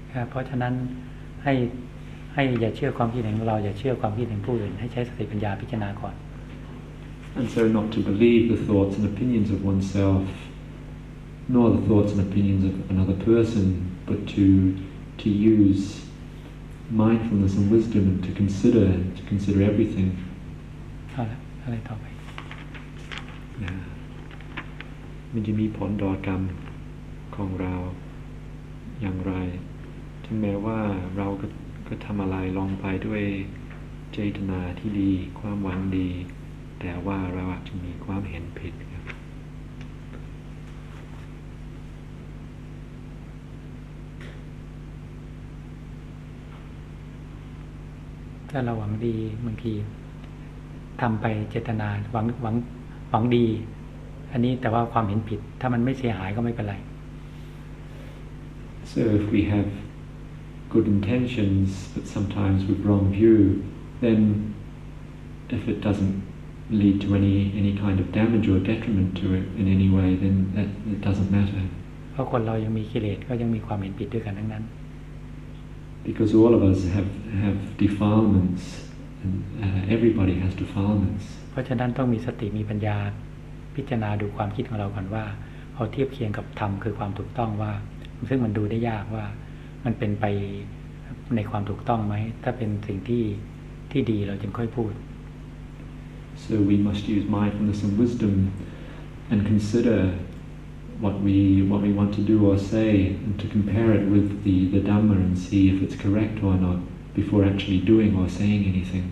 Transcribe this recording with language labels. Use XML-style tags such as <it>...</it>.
<th>เพราะฉะนั้นให้อย่าเชื่อความคิดเห็นของเราอย่าเชื่อความคิดเห็นผู้อื่นให้ใช้สติปัญญาพิจารณาก่อน</th> <en>And so not to believe the thoughts and opinions of oneself, nor the thoughts and opinions of another person, but to use mindfulness and wisdom and to consider everything. All right, all right. Yeah.</en> <th>มันจะมีผลดอกรรมของเราอย่างไรถึงแม้ว่าเราก็ทำอะไรลงไปด้วยเจตนาที่ดีความหวังดีแต่ว่าเราอาจจะมีความเห็นผิดครับ ถ้าเราหวังดีบางทีทำไปเจตนาหวังดีอันนี้แต่ว่าความเห็นผิดถ้ามันไม่เสียหายก็ไม่เป็นไร</th> <en>So if we have good intentions but sometimes with wrong view then if it doesn'tlead to any kind of damage or detriment to it in any way then that doesn't matter</en> <th>เพราะคนเรายังมีกิเลสก็ยังมีความเห็นผิดด้วยกันทั้งนั้น</th> <en>because all of us have defilements and everybody has defilements</en> <th>เพราะฉะนั้นต้องมีสติมีปัญญาพิจารณาดูความคิดของเราก่อนว่าพอเทียบเคียงกับธรรมคือความถูกต้องว่าซึ่งมันดูได้ยากว่ามันเป็นไปในความถูกต้องไหมถ้าเป็นสิ่งที่ดีเราจึงค่อยพูด</th> <en>So we must use mindfulness and wisdom and consider what we want to do or say and to compare it with the Dhamma and see if it's correct or not before actually doing or saying anything</en>